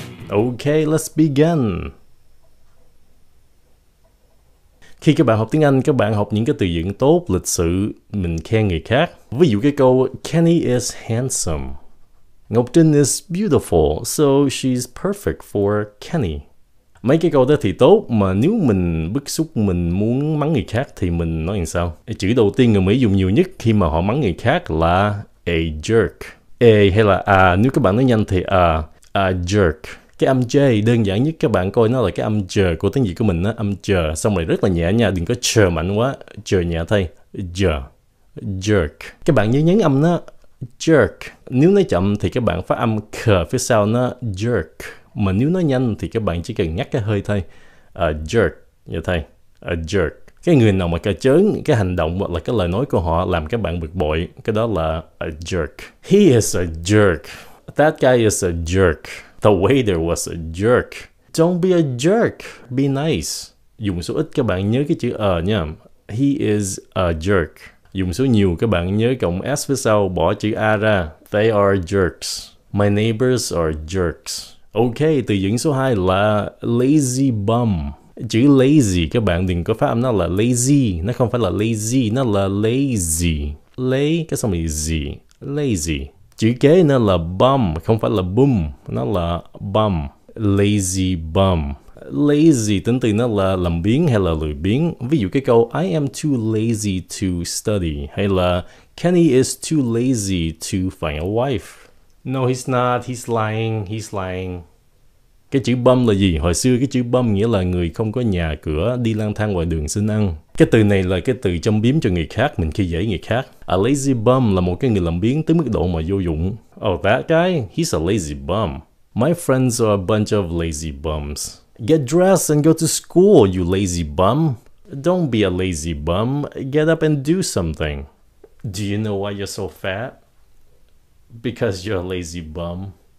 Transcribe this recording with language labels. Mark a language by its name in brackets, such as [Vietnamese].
[English] Okay, let's begin. [Vietnamese] Khi các bạn học tiếng Anh, các bạn học những cái từ vựng tốt, lịch sự, mình khen người khác. Ví dụ cái câu [English] Kenny is handsome. Ngọc Trinh is beautiful, so she's perfect for Kenny. [Vietnamese] Mấy cái câu đó thì tốt, mà nếu mình bức xúc, mình muốn mắng người khác thì mình nói làm sao? Chữ đầu tiên người Mỹ dùng nhiều nhất khi mà họ mắng người khác là a jerk. A hay là a, nếu các bạn nói nhanh thì a jerk. Cái âm J đơn giản nhất các bạn coi nó là cái âm J của tiếng Việt của mình á, âm J xong rồi rất là nhẹ nha, đừng có J mạnh quá, J nhẹ thay, J, jerk. Các bạn nhớ nhấn âm nó, jerk, nếu nó chậm thì các bạn phát âm K phía sau nó, jerk, mà nếu nó nhanh thì các bạn chỉ cần ngắt cái hơi thay, jerk, nhẹ thay, jerk. Cái người nào mà cà chớn cái hành động hoặc là cái lời nói của họ làm các bạn bực bội, cái đó là a jerk. [English] He is a jerk, that guy is a jerk. The waiter was a jerk. Don't be a jerk. Be nice. [Vietnamese] Dùng số ít các bạn nhớ cái chữ a nha. [English] He is a jerk. [Vietnamese] Dùng số nhiều các bạn nhớ cộng s phía sau bỏ chữ a ra. [English] They are jerks. My neighbors are jerks. [Vietnamese] Okay, từ vựng số 2 là lazy bum. Chữ lazy các bạn đừng có phát âm nó là lazy. Nó không phải là lazy, nó là lazy. Lấy cái xong là gì? Lazy. Chữ kế nó là bum, không phải là boom, nó là bum, lazy bum. Lazy tính từ nó là làm biếng hay là lười biếng. Ví dụ cái câu [English] I am too lazy to study [Vietnamese] hay là [English] Kenny is too lazy to find a wife. No, he's not, he's lying, he's lying. [Vietnamese] Cái chữ bum là gì? Hồi xưa cái chữ bum nghĩa là người không có nhà cửa, đi lang thang ngoài đường xin ăn. Cái từ này là cái từ châm biếm cho người khác, mình khi dễ người khác. A lazy bum là một cái người làm biếng tới mức độ mà vô dụng. [English] Oh, that guy, he's a lazy bum. My friends are a bunch of lazy bums. Get dressed and go to school, you lazy bum. Don't be a lazy bum, get up and do something. Do you know why you're so fat? Because you're a lazy bum.